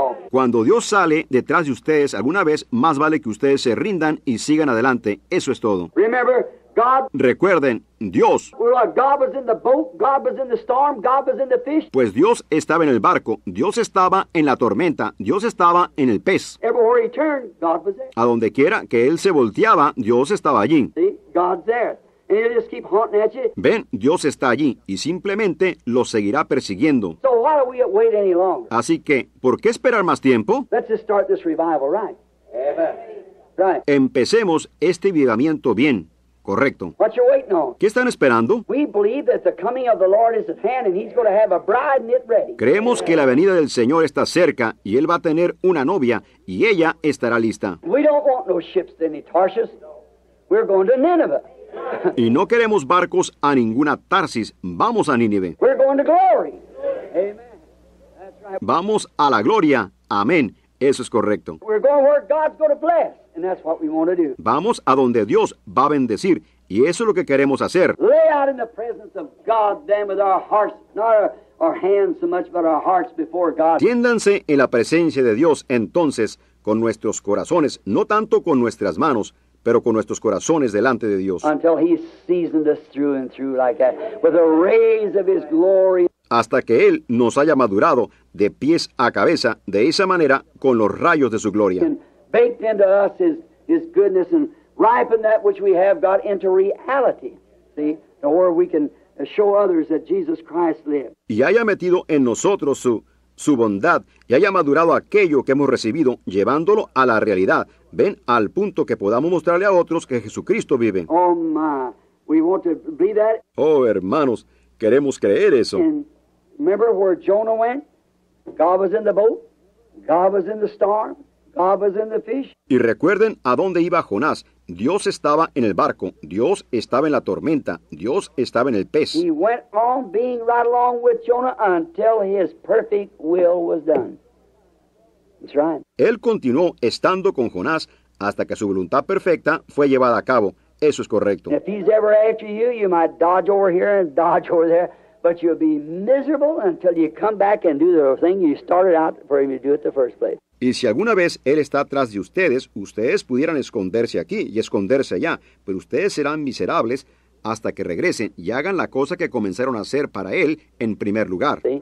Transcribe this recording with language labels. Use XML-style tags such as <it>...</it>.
<es>Cuando Dios sale detrás de ustedes, alguna vez más vale que ustedes se rindan y sigan adelante. Eso es todo.</es> <en>Remember, God,</en> <es>recuerden, Dios.</es> <en>God was in the boat, God was in the storm, God was in the fish.</en> <es>Pues Dios estaba en el barco, Dios estaba en la tormenta, Dios estaba en el pez.</es> <en>Everywhere he turned, God was there.</en> <es>A donde quiera que él se volteaba, Dios estaba allí.</es> <en>See? God's there. And he'll just keep haunting at you.</en> <es>Ven, Dios está allí y simplemente lo seguirá persiguiendo.</es> <en>So why do we wait any longer?</en> <es>Así que, ¿por qué esperar más tiempo?</es> <en>Let's just start this revival right. Amen. Right.</en> <es>Empecemos este avivamiento bien. Correcto.</es> <en>What you waiting on?</en> <es>¿Qué están esperando?</es> <en>We believe that the coming of the Lord is at hand and he's going to have a bride and it ready.</en> <es>Creemos que la venida del Señor está cerca y él va a tener una novia y ella estará lista.</es> <en>We don't want no ships to any Tarsus. We're going to Nineveh.</en> <es>Y no queremos barcos a ninguna Tarsis. Vamos a Nínive.</es> <en>We're going to glory. Amen. That's right.</en> <es>Vamos a la gloria. Amén. Eso es correcto.</es> <en>We're going where God's going to bless. And that's what we want to do.</en> <es>Vamos a donde Dios va a bendecir, y eso es lo que queremos hacer.</es> <en>Lay out in the presence of God, then with our hearts, not our hands so much, but our hearts before God.</en> <es>Tiéndanse en la presencia de Dios, entonces, con nuestros corazones, no tanto con nuestras manos, pero con nuestros corazones delante de Dios.</es> <en>Until he seasoned us through and through like that, with the rays of his glory.</en> <es>Hasta que Él nos haya madurado de pies a cabeza, de esa manera, con los rayos de su gloria.</es> <en>Baked into us his goodness and ripen that which we have got into reality. See, to where we can show others that Jesus Christ lives.</en> <es>Y haya metido en nosotros su bondad y haya madurado aquello que hemos recibido, llevándolo a la realidad. Ven al punto que podamos mostrarle a otros que Jesucristo vive.</es> <en>Oh my, we want to believe that.</en> <es>Oh hermanos, queremos creer eso.</es> <en>And remember where Jonah went? God was in the boat. God was in the storm. God was in the fish.</en> <es>Y recuerden a dónde iba Jonás. Dios estaba en el barco. Dios estaba en la tormenta. Dios estaba en el pez.</es> <en>He went on being right along with Jonah until his perfect will was done. That's right.</en> <es>Él continuó estando con Jonás hasta que su voluntad perfecta fue llevada a cabo. Eso es correcto.</es> <en>If he's ever after you, you might dodge over here and dodge over there. But you'll be miserable until you come back and do the thing you started out for him to do it the first place.</en> <es>Y si alguna vez él está atrás de ustedes, ustedes pudieran esconderse aquí y esconderse allá, pero ustedes serán miserables hasta que regresen y hagan la cosa que comenzaron a hacer para él en primer lugar.</es>